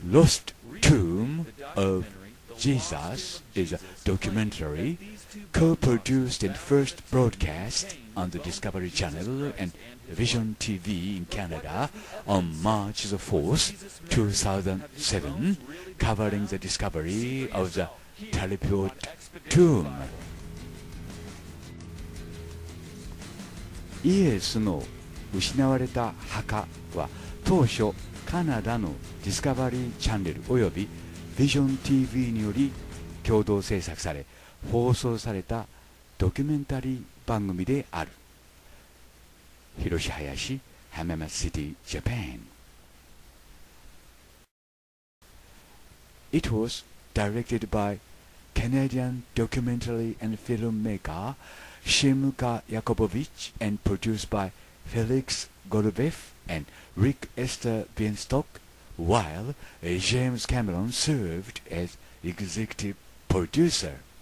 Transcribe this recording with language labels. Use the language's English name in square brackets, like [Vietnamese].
[English] The Lost Tomb of Jesus is a documentary co-produced and first broadcast on the Discovery Channel and Vision TV in Canada on March the 4th, 2007, covering the discovery of the Talipot Tomb. [Japanese] イエスの失われた墓は当初カナダのディスカバリーチャンネルおよびビジョン TV により共同制作され放送されたドキュメンタリー番組である。広志林浜松シティジャパン。 [English] It was directed by Canadian documentary and filmmakerShimka Yakubovich and produced by Felix Golubev and Rick Esther Beanstock, while James Cameron served as executive producer.